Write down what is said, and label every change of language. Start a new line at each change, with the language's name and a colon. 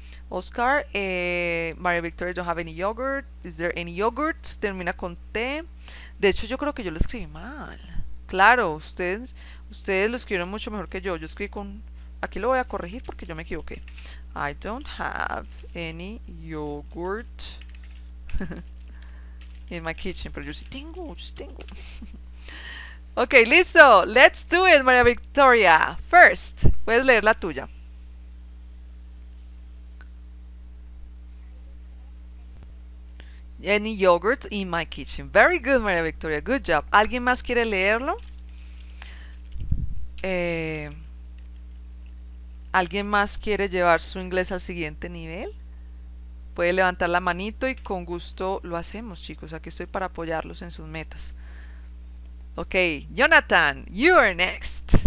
English: Oscar, María Victoria, don't have any yogurt. Is there any yogurt?
Spanish: Termina con T. De hecho, yo creo que yo lo escribí mal. Claro, ustedes lo escribieron mucho mejor que yo. Yo escribí con. Aquí lo voy a corregir porque yo me equivoqué.
English: I don't have any yogurt in my kitchen.
Spanish: Pero yo sí tengo, yo sí tengo. Ok, listo.
English: Let's do it, María Victoria. First,
Spanish: puedes leer la tuya.
English: Any yogurt in my kitchen. Very good, María Victoria. Good job.
Spanish: ¿Alguien más quiere leerlo? ¿Alguien más quiere llevar su inglés al siguiente nivel? Puede levantar la manito y con gusto lo hacemos, chicos. Aquí estoy para apoyarlos en sus metas.
English: Ok, Jonathan, you are next.